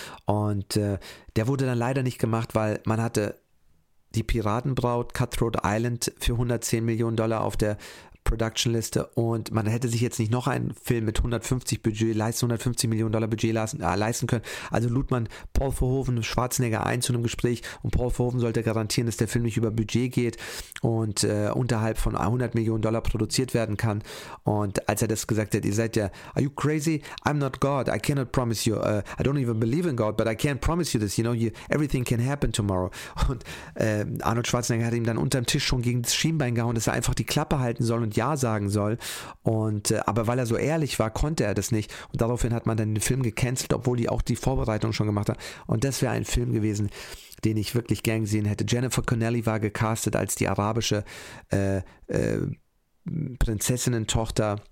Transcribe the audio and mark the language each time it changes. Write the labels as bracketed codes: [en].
[de] Und der wurde dann leider nicht gemacht, weil man hatte die Piratenbraut Cutthroat Island für $110 Millionen auf der Productionliste und man hätte sich jetzt nicht noch einen Film mit $150 Millionen Budget leisten können. Also lud man Paul Verhoeven, Schwarzenegger ein zu einem Gespräch und Paul Verhoeven sollte garantieren, dass der Film nicht über Budget geht und unterhalb von $100 Millionen produziert werden kann. Und als er das gesagt hat, ihr seid ja, [en] are you crazy? I'm not God. I cannot promise you. I don't even believe in God, but I can't promise you this. You know, everything can happen tomorrow. [de] Und Arnold Schwarzenegger hat ihm dann unterm Tisch schon gegen das Schienbein gehauen, dass er einfach die Klappe halten soll und Ja sagen soll. Und aber weil er so ehrlich war, konnte er das nicht. Und daraufhin hat man dann den Film gecancelt, obwohl die auch die Vorbereitung schon gemacht hat. Und das wäre ein Film gewesen, den ich wirklich gern gesehen hätte. Jennifer Connelly war gecastet als die arabische Prinzessinnentochter.